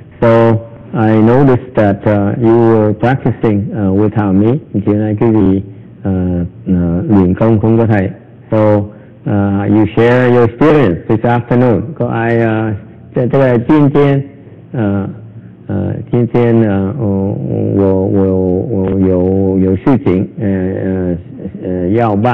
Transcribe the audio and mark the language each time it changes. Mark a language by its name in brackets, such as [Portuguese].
[English] So I noticed that you were practicing without me. [Vietnamese] Chiều nay quý vị luyện công không có thầy. [English] So you share your experience this afternoon. [Vietnamese] Có ai, tức là chuyên chuyên, So